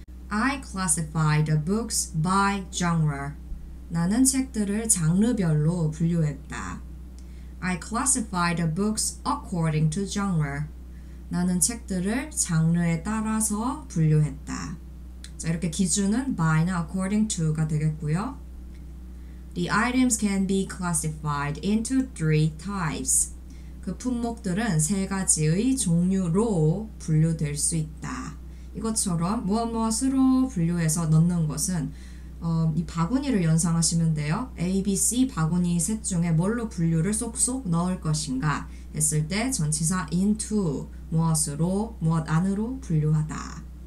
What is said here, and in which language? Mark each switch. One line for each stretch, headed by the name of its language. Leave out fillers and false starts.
English: I classify the books by genre.
Korean: 나는 책들을 장르별로 분류했다.
English: I classify the books according to genre.
Korean: 나는 책들을 장르에 따라서 분류했다. 자, 이렇게 기준은 by나 according to가 되겠고요.
English: The items can be classified into three types.
Korean: 그 품목들은 세 가지의 종류로 분류될 수 있다. 이것처럼 무엇무엇으로 분류해서 넣는 것은 이 바구니를 연상하시면 돼요. ABC 바구니 셋 중에 뭘로 분류를 쏙쏙 넣을 것인가 했을 때 전치사 into 무엇으로 무엇 안으로 분류하다.